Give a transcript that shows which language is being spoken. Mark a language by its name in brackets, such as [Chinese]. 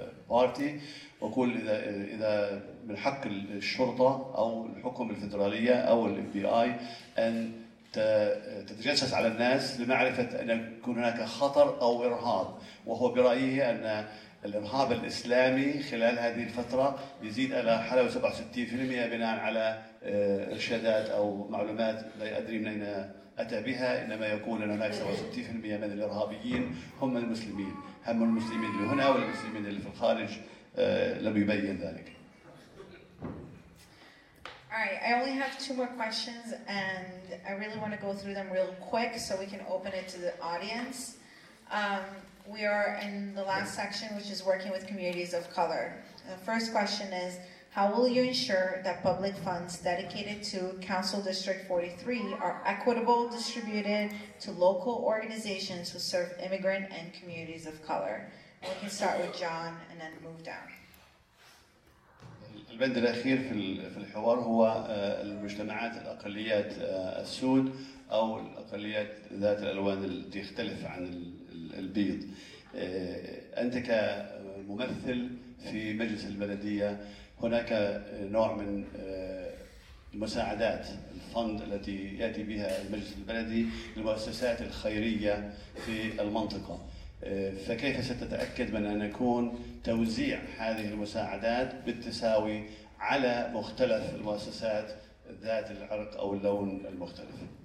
[Arabic] بارتي وقول إذا من حق الشرطة أو الحكومة الفيدرالية أو الـ FBI أن تتجسس على الناس لمعرفة أن يكون هناك خطر أو إرهاب وهو برأيه أن الإرهاب الإسلامي خلال هذه الفترة يزيد إلى حلو 67% بناء على إرشادات أو معلومات لا أدري من أين أتى بها إنما يكون أن هناك 67% من الإرهابيين هم المسلمين هم المسلمين اللي هنا والمسلمين اللي في الخارج لم يبين ذلك [English] All right, I only have two more questions and I really want to go through them real quick so we can open it to the audience. We are in the last section, which is working with communities of color. The first question is, how will you ensure that public funds dedicated to Council District 43 are equitable distributed to local organizations who serve immigrant and communities of color? We can start with John and then move down. [Arabic] البند الأخير في الحوار هو المجتمعات الأقليات السود أو الأقليات ذات الألوان التي تختلف عن البيض أنت كممثل في مجلس البلدية هناك نوع من المساعدات الفند التي يأتي بها المجلس البلدي للمؤسسات الخيرية في المنطقة فكيف ستتأكد من أن يكون توزيع هذه المساعدات بالتساوي على مختلف المؤسسات ذات العرق أو اللون المختلف؟